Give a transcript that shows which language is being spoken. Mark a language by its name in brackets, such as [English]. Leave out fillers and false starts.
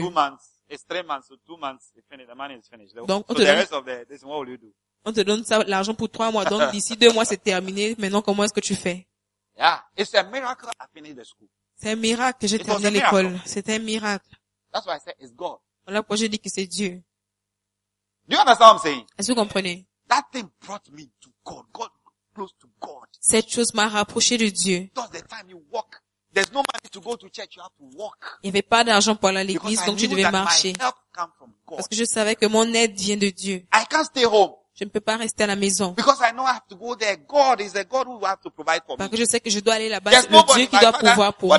[English] 2 months, it's 3 months, so 2 months, it's finished. The money is finished. [French] Donc, [English] so the rest of the, this, what will you do? [French] On te donne ça, l'argent pour 3 mois. Donc, d'ici 2 mois, c'est terminé. Maintenant, comment est-ce que tu fais? [English] Yeah, it's a miracle. I finished the school. [French] C'est un miracle que j'ai terminé l'école. C'est un miracle. [English] That's why I said it's God. [French] Voilà pourquoi je dis que c'est Dieu. [English] Do you understand what I'm saying? [French] Est-ce que vous comprenez? [English] That thing brought me to God. God close to God. [French] Cette chose m'a rapproché de Dieu. [English] Because the time you walk, there's no money to go to church. You have to walk. [French] Il n'y avait pas d'argent pour aller à l'église, [English] because [French] donc tu devais marcher. [English] My help come from God. [French] Parce que je savais que mon aide vient de Dieu. [English] I can't stay home. [French] Je ne peux pas rester à la maison. [English] Because I know I have to go there. God is the God who will have to provide for me. [French] Parce que je sais que je dois aller là-bas. C'est Dieu qui doit pouvoir pour moi.